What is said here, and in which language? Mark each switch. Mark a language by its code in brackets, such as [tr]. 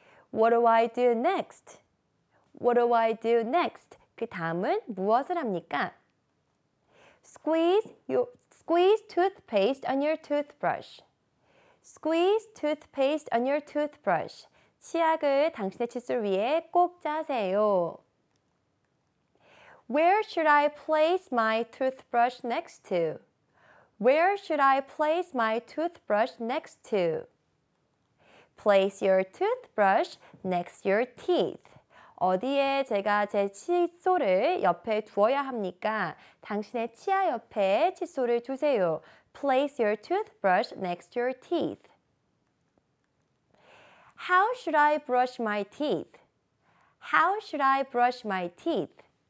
[en] What do I do next? What do I do next? [ko] 그 다음은 무엇을 합니까? [en] Squeeze toothpaste on your toothbrush. Squeeze toothpaste on your toothbrush. [ko] 치약을 당신의 칫솔 위에 꼭 짜세요. [en] Where should I place my toothbrush next to? Where should I place my toothbrush next to? Place your toothbrush next to your teeth. [ko] 어디에 제가 제 칫솔을 옆에 두어야 합니까? 당신의 치아 옆에 칫솔을 두세요. [en] Place your toothbrush next to your teeth. How should I brush my teeth? How should I brush my teeth?